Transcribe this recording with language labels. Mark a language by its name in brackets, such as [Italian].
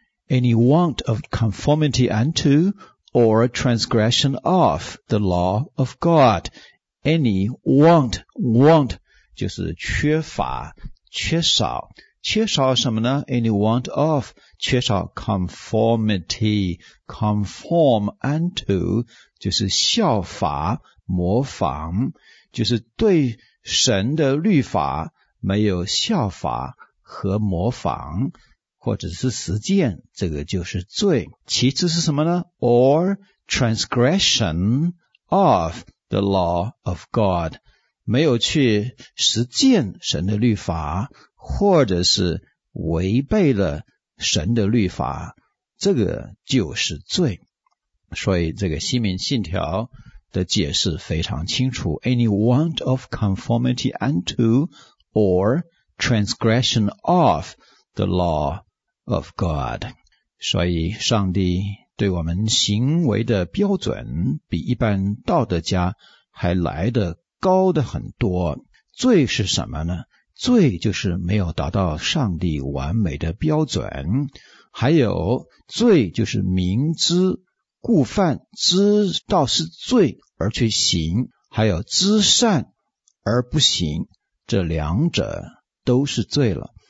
[English] any want of conformity unto or transgression of the law of GodAny want， want [Chinese] 就是缺乏，缺少，缺少什么呢？ [English] Any want of， [Chinese] 缺少 conformity， [English] conform unto [Chinese] 就是效法，模仿，就是对神的律法没有效法和模仿，或者是实践，这个就是罪。其次是什么呢？ [English] Or transgression ofThe law of God， [Chinese] 没有去实践神的律法，或者是违背了神的律法，这个就是罪。所以这个西缅信条的解释非常清楚， [English] Any want of conformity unto or transgression of the law of God。 [Chinese] 所以上帝对我们行为的标准比一般道德家还来得高得很多。罪是什么呢？罪就是没有达到上帝完美的标准。还有罪就是明知故犯，知道是罪而去行，还有知善而不行，这两者都是罪了。